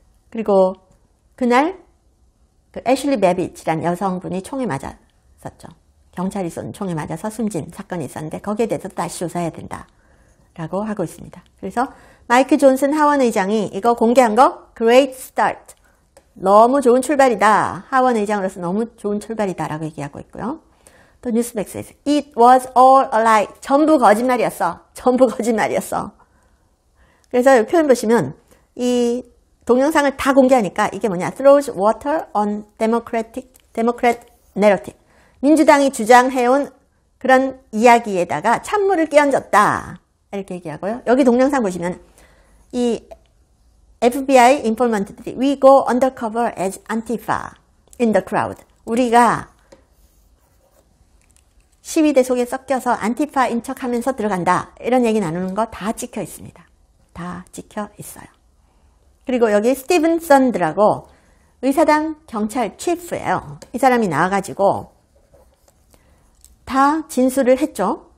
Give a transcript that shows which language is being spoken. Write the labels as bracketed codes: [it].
[ko] 그리고 그날, 그 애슐리 베빗이라는 여성분이 총에 맞았었죠. 경찰이 쏜 총에 맞아서 숨진 사건이 있었는데, 거기에 대해서 다시 조사해야 된다. 라고 하고 있습니다. 그래서 마이크 존슨 하원 의장이 이거 공개한 거, [en] great start. [ko] 너무 좋은 출발이다. 하원 의장으로서 너무 좋은 출발이다. 라고 얘기하고 있고요. 또 뉴스맥스에서 [en] It was all a lie. [ko] 전부 거짓말이었어. 전부 거짓말이었어. 그래서 이 표현 보시면 이 동영상을 다 공개하니까 이게 뭐냐? [en] Throws water on Democrat narrative. [ko] 민주당이 주장해온 그런 이야기에다가 찬물을 끼얹었다. 이렇게 얘기하고요. 여기 동영상 보시면 이 FBI 인포먼트들이 [en] We go undercover as Antifa in the crowd. [ko] 우리가 시위대 속에 섞여서 안티파인 척 하면서 들어간다. 이런 얘기 나누는 거다 찍혀 있습니다. 다 찍혀 있어요. 그리고 여기 스티븐 썬드라고 의사당 경찰 치프예요. 이 사람이 나와가지고 다 진술을 했죠.